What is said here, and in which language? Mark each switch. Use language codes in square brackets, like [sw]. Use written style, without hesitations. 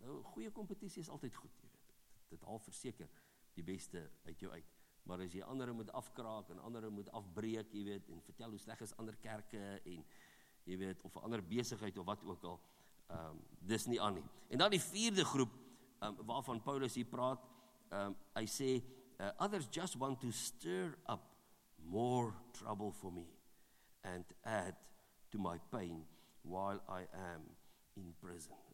[af] Nou, goeie kompetisie is altyd goed, jy weet. Dit haal verseker die beste uit jou uit. Maar as jy ander moet afkraak en ander moet afbreek, jy weet, en vertel hoe sleg is ander kerke en jy weet, of ander besigheid of wat ook al, dis nie aan nie. En dan die vierde groep, waarvan Paulus hier praat, hy sê, [en] others just want to stir up more trouble for me and add to my pain while I am in prison.